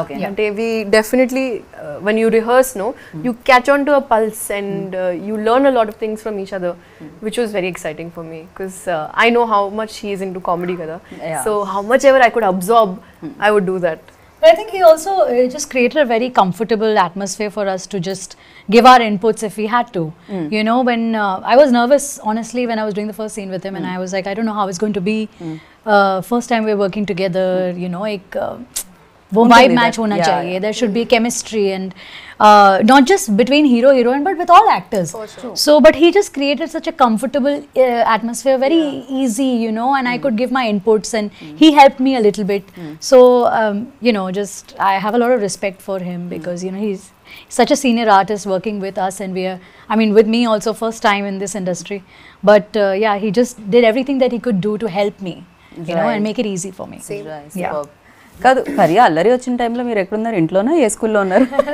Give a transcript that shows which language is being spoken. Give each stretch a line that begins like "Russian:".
English: అంటే we definitely when you rehearse know you catch on to a pulse and you learn a lot of things from each other which was very exciting for me because I know how much he's into comedy కదా. So how much ever I could absorb I would do that. But I think he also just created a very comfortable atmosphere for us to just give our inputs if we had to. You know, when I was nervous, honestly, when I was doing the first scene with him and I was like, I don't know how it's going to be. First time we're working together, you know,
Hindi: ek wo vibe match hona chahiye.
English: There should be chemistry and not just between hero, heroine, but with all actors. So, but he just created such a comfortable atmosphere, very easy, you know, and I could give my inputs and he helped me a little bit. So, you know, just I have a lot of respect for him because, you know, he's such a senior artist working with us and we are, I mean, with me also first time in this industry. But yeah, he just did everything that he could do to help me, you know, and make it easy for me.
Telugu: కాదు ఫరియా, అల్లరి వచ్చిన టైంలో మీరు ఎక్కడున్నారు, ఇంట్లోనా ఏ స్కూల్లో ఉన్నారు?